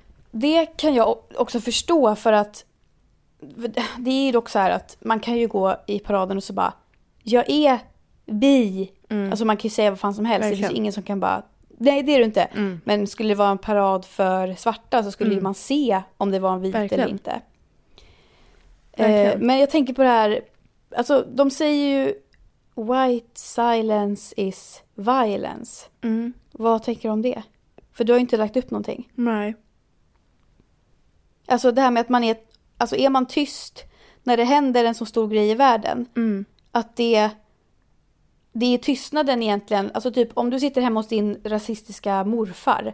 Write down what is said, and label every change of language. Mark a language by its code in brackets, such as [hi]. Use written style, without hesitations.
[sv] Det kan jag också förstå för att... Det är ju dock så här att man kan ju gå i paraden och så bara... Jag är bi. Mm. Alltså man kan ju säga vad fan som helst. Verkligen. Det är ingen som kan bara... Nej, det är du inte. Mm. Men skulle det vara en parad för svarta så skulle man se om det var en vit verkligen eller inte. Men jag tänker på det här... Alltså, de säger ju... [en] White silence is violence. Mm. [sv] Vad tänker du om det? För du har ju inte lagt upp någonting. Nej. Alltså det här med att man är... Alltså är man tyst när det händer en så stor grej i världen? Mm. Att det är tystnaden egentligen. Alltså typ om du sitter hemma hos din rasistiska morfar.